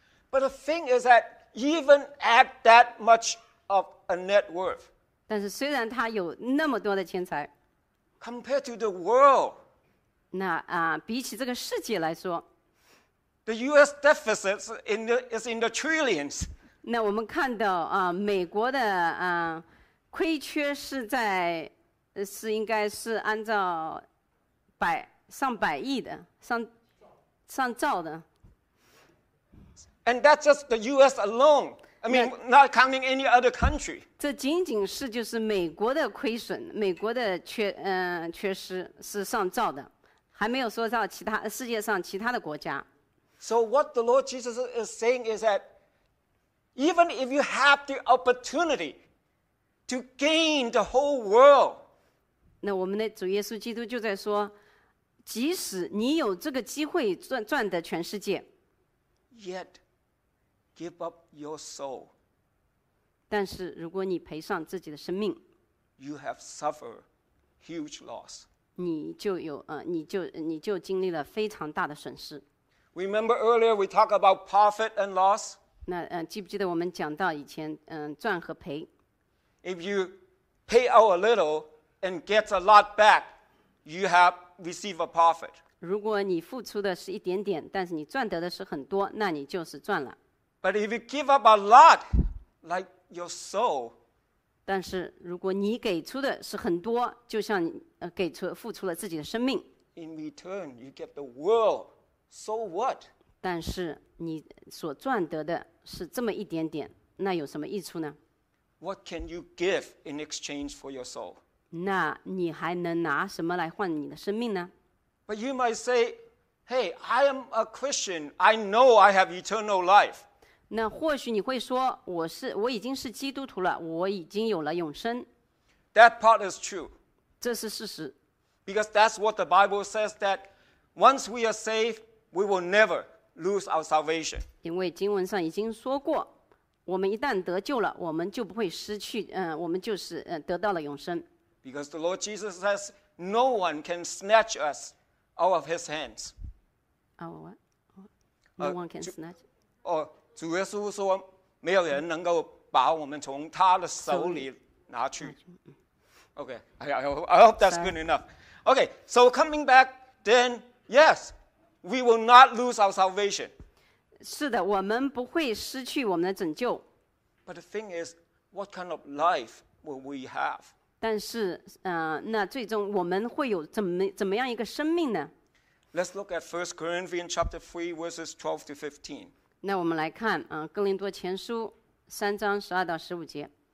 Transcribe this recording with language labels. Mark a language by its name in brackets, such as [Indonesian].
[English] But the thing is that even at that much of a net worth, [Chinese] 但是虽然他有那么多的钱财 [English] compared to the world. [Chinese] 那比起这个世界来说 [English] ，The U.S. deficit is in the trillions. [Chinese] 那我们看到美国的亏缺是在是应该是按照上百亿的上兆的。 [English] And that's just the U.S. alone. I mean, not counting any other country. [Chinese] 这仅仅是就是美国的亏损，美国的缺失是上兆的，还没有说到其他世界上其他的国家。 [English] So what the Lord Jesus is saying is that even if you have the opportunity to gain the whole world, [Chinese] 那我们的主耶稣基督就在说，即使你有这个机会赚得全世界。 [English] Yet. Give up your soul. [Chinese] 但是如果你赔上自己的生命， [English] you have suffered huge loss. [Chinese] 你就经历了非常大的损失。 [English] Remember earlier we talked about profit and loss? [Chinese] 那记不记得我们讲到以前赚和赔？ [English] If you pay out a little and get a lot back, you have received a profit. [Chinese] 如果你付出的是一点点，但是你赚得的是很多，那你就是赚了。 [English] But if you give up a lot, like your soul, [Chinese] 但是如果你给出的是很多，就像给出付出了自己的生命。 [English] In return, you get the world. So what? [Chinese] 但是你所赚得的是这么一点点，那有什么益处呢？ [English] What can you give in exchange for your soul? [Chinese] 那你还能拿什么来换你的生命呢？ [English] But you might say, "Hey, I am a Christian. I know I have eternal life." [Chinese] 那或许你会说，我已经是基督徒了，我已经有了永生。 [English] That part is true. [Chinese] 这是事实。 [English] Because that's what the Bible says, that once we are saved, we will never lose our salvation. [Chinese] 因为经文上已经说过，我们一旦得救了，我们就不会失去，我们就是得到了永生。 [English] Because the Lord Jesus says, no one can snatch us out of his hands. Oh, what? No one can snatch. [Chinese] Or,主耶稣说没有人能够把我们从他的手里拿去。 [English] Okay, I hope that's good enough. Okay, so coming back, then yes, we will not lose our salvation. [Chinese] 是的，我们不会失去我们的拯救。 [English] But the thing is, what kind of life will we have? [Chinese] 但是那最终我们会有怎么样一个生命呢？ [English] Let's look at 1 Corinthians chapter 3 verses 12 to 15. [Chinese] 那我们来看哥林多前书三章十二到十五节。